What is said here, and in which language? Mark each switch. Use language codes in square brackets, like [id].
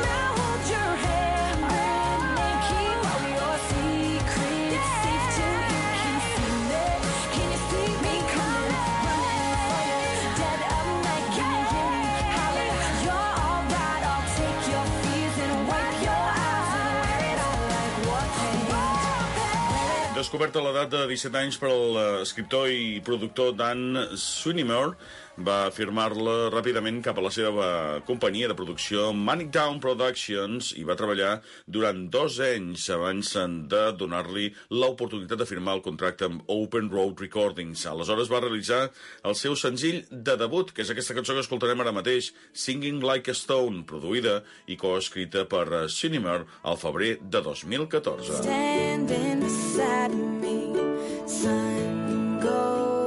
[en] I'll hold your hand and keep all your secrets safe till you can feel it. Can you see me coming, running for you? Dead of night, can you hear me holler? You're all right. I'll take your fears and wipe your eyes and wear it all like war paint. [ca] Descoberta l'edat de 17 anys per l'escriptor i productor Dan Swinimer, va firmar-la ràpidament cap a la seva companyia de producció Manic Town Productions i va treballar durant 2 anys abans de donar-li l'oportunitat de firmar el contracte amb Open Road Recordings. Aleshores va realitzar el seu senzill de debut, que és aquesta cançó que escoltarem ara mateix, Singing Like a Stone, produïda i coescrita per Swinimer al febrer de 2014. [en] Standing beside me, sun goes.